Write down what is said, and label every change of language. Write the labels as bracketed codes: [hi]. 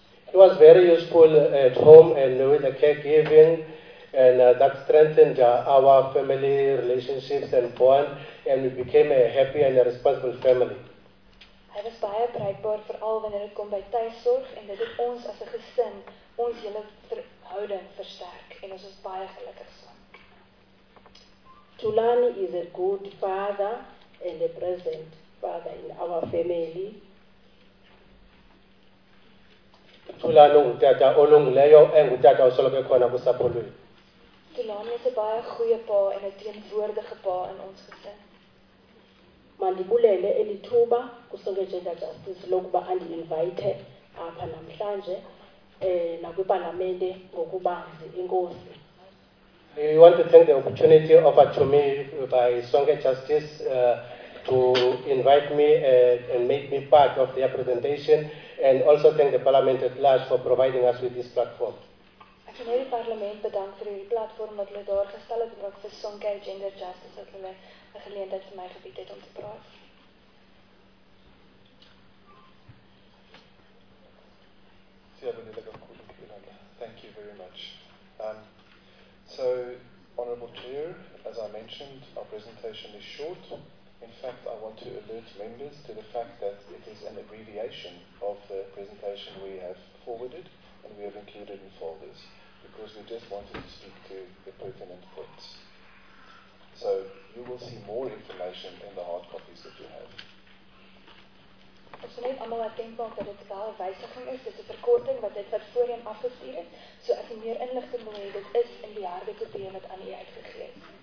[en] He was very useful at home and with the caregiving, and that strengthened our family relationships and bond, and we became a happy and a responsible family. [af] Hy was baie bereikbaar veral wanneer dit kom by tuissorg, en dit het ons as 'n gesin, ons hele verhouding versterk, en ons is baie gelukkig saam. [en] Thulani is a good father and a present father in our family. [xh] Thulani ngutata olungileyo engutata osoloko ekhona kusapho lwethu. [af] Thulani is 'n baie goeie pa en 'n teenwoordige pa in ons gesin. [xh] Mandibulele elithuba kusonke Gender Justice lokuba andi-invite apha namhlanje nakwipalamente ngokubanzi. Inkosi. [en] We want to thank the opportunity offered to me by Sonke Justice to invite me and make me part of their presentation, and also thank the Parliament at large for providing us with this platform. [af] Ek wil die parlement bedank vir die platform wat hulle daar gestel het, en ook vir Sonke Gender Justice dat hulle 'n geleentheid vir my gebied het om te praat. [en] Thank you very much. So, Honourable Chair, as I mentioned, our presentation is short. In fact, I want to alert members to the fact that it is an abbreviation of the presentation we have forwarded and we have included in folders, because we just wanted to speak to the pertinent points. So, you will see more information in the hard copies that you have. [af] Ons moet almal aandenkbaar dat dit wel 'n wysiging is, dit is 'n verkorting wat dit wat voorheen afgestuur het. So as jy meer inligting wil hê, dit is in die harde kopie wat aan u uitgegee is.